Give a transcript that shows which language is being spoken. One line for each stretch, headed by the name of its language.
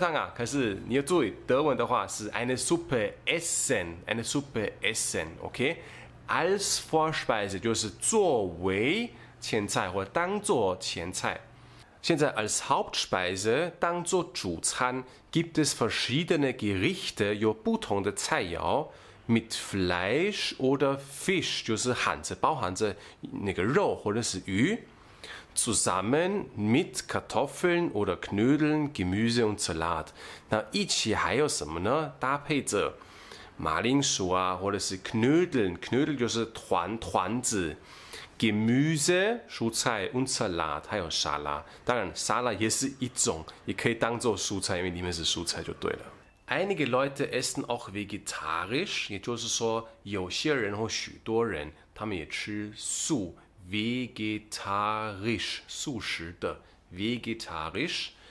Chinese: 小心，我刚刚试了吃一个汤，因为我们德文，我们说吃汤，我们不会说喝汤，所以当然中文是喝汤啊。可是你要注意，德文的话是
German: eine Suppe essen, eine Suppe essen,
Chinese: OK?
German: Als Vorspeise
Chinese: 就是作为前菜或当做前菜。现在
German: als Hauptspeise
Chinese: 当做主餐
German: gibt es verschiedene Gerichte,
Chinese: 有不同的菜肴。
German: Mit Fleisch oder Fisch,
Chinese: 就是含着包含着那个肉或者是鱼,
German: zusammen mit Kartoffeln oder Knödeln, Gemüse und Salat.
Chinese: 那一起还有什么呢? 搭配着马铃薯啊，或者是Knödeln, Knödel 就是团团子, Gemüse, 蔬菜 und Salat, 还有沙拉. 当然沙拉也是一种, 也可以当做蔬菜, 因为里面是蔬菜就对了。
German: Einige Leute essen auch vegetarisch,
Chinese: 也就是说有些人或许多人他们也吃素, vegetarisch, 素食的, vegetarisch.